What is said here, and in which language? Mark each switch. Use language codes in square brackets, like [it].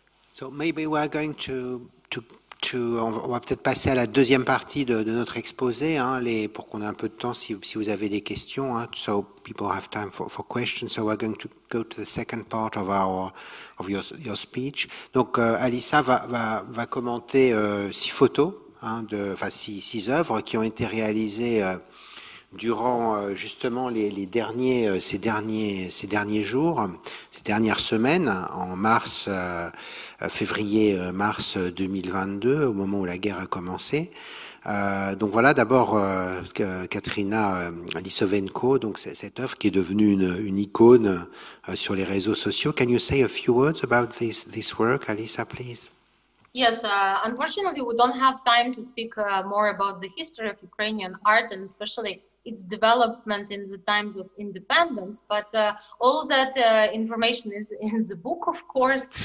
[en] So maybe we're going [fr] on va peut-être passer à la deuxième partie de notre exposé, hein, pour qu'on ait un peu de temps si vous avez des questions. [en] Hein, so people have time for questions. So we're going to go to the second part of your speech. [fr] Donc Alisa va commenter six photos. Six œuvres qui ont été réalisées durant justement ces dernières semaines, en mars, février, mars 2022, au moment où la guerre a commencé. Donc voilà, d'abord Katrina Lisovenko, donc cette œuvre qui est devenue une icône sur les réseaux sociaux. [en] Can you say a few words about this work, Alisa, please? Yes, unfortunately, we don't have time to speak more about the history of Ukrainian art and especially its development in the times of independence. But all that information is in the book, of course.